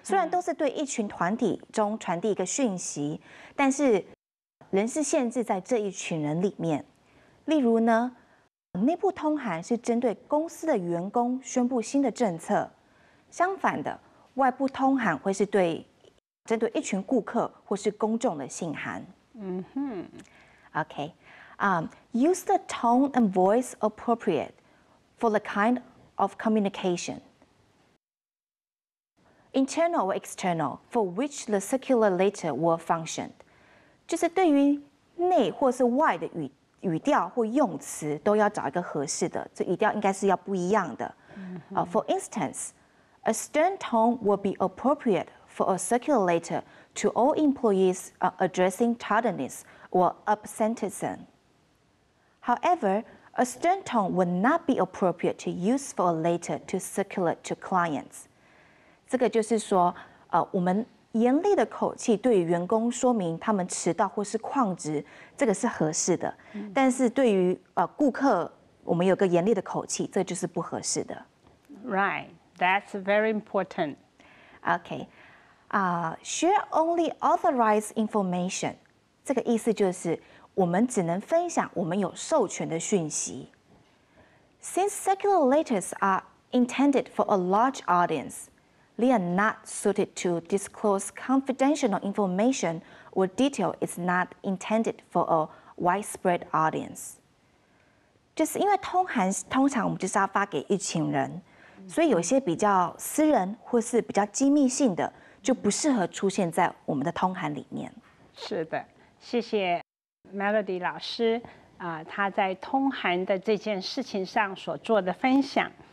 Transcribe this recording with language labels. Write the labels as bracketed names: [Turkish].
[Chinese] 虽然都是对一群团体中传递一个讯息，但是人是限制在这一群人里面。例如呢，内部通函是针对公司的员工宣布新的政策，相反的，外部通函会是对针对一群顾客或是公众的信函。 [English] Okay. Use the tone and voice appropriate for the kind of communication. Internal or external, for which the circular letter will function. [Chinese] 就是对于内或是外的语调或用词都要找一个合适的，这语调应该是要不一样的。 [English] For instance, a stern tone will be appropriate for a circular letter to all employees addressing tardiness or absenteeism. However, a stern tone will not be appropriate to use for a letter to circulate to clients. [Chinese] 这个就是说，我们严厉的口气对于员工说明他们迟到或是旷职，这个是合适的。但是对于顾客，我们有个严厉的口气，这就是不合适的。 [English] Right, that's very important. Okay, share only authorized information. [Chinese] 这个意思就是我们只能分享我们有授权的讯息。 [English] Since circular letters are intended for a large audience. They are not suited to disclose confidential information or detail is not intended for a widespread audience. [Chinese] 就是因为通函通常我们就是要发给一群人，所以有些比较私人或是比较机密性的就不适合出现在我们的通函里面。是的，谢谢 Melody 老师，他在通函的这件事情上所做的分享。